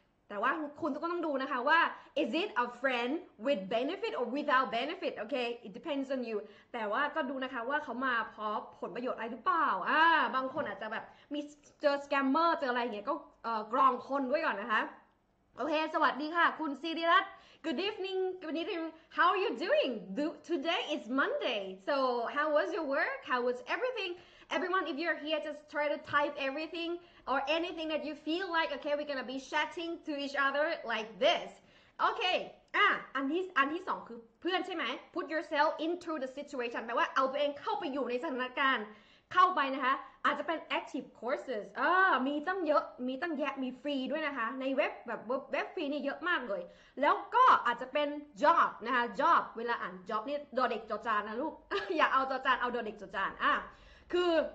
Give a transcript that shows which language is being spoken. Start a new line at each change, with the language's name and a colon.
Thai: แต่ว่าคุณก็ต้องดูนะคะว่า
English: is it a friend with benefit or without benefit okay it depends on you
Thai: แต่ว่าก็ดูนะคะว่าเขามาเพราะผลประโยชน์อะไรหรือเปล่าบางคนอาจจะแบบมีเจอสแกมเมอร์เจออะไรอย่างเงี้ยก็กรองคนด้วยก่อนนะคะโอเคสวัสดีค่ะคุณซีรีรัตน์
English: good evening good evening how are you doing today is Monday so how was your work how was everythingEveryone, if you're here, just try to type everything or anything that you feel like. Okay, we're gonna be chatting to each other like this. Okay,
Thai: อันที่สองคือเพื่อนใช่ไหม
English: Put yourself into the situation.
Thai: แปลว่าเอาตัวเองเข้าไปอยู่ในสถานการณ์เข้าไปนะคะอาจจะเป็น
English: active courses.
Thai: มีตั้งเยอะมีตั้งแยะมีฟรีด้วยนะคะในเว็บแบบเว็บฟรีนี่เยอะมากเลยแล้วก็อาจจะเป็น job นะคะ job เวลาอ่าน job นี่ดอเด็กจอจานนะลูก อย่าเอาจอจานเอาดอเด็กจอจานคือ